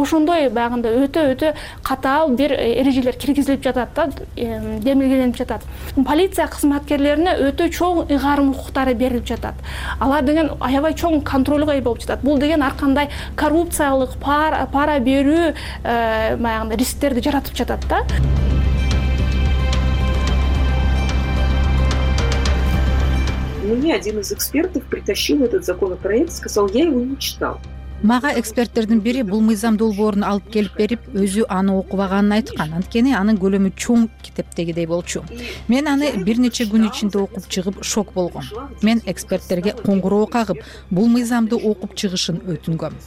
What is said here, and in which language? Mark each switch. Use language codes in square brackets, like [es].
[ky] Ошондой баягындай өтө катаал бир эрежелер киргизилип жатат да, демилгеленип жатат. Полиция кызматкерлерине өтө чоң ыйгарым укуктары берилип жатат. Алар деген аябай чоң контролго ээ болуп жатат. Бул деген ар кандай коррупциялык пара берүү баягындай рисктерди жаратып жатат да. [ru] Мне один из экспертов притащил этот законопроект, сказал, я его не читал. [ky] Мага эксперттердин бири бул мыйзам долбоорун алып келип берип, өзү аны окубаганын айткан. Анткени анын көлөмү чоң китептегидей болчу. Мен аны бир нече күн ичинде окуп чыгып шок болгом. Мен эксперттерге коңгуроо кагып, бул мыйзамды окуп чыгышын өтүнгөм.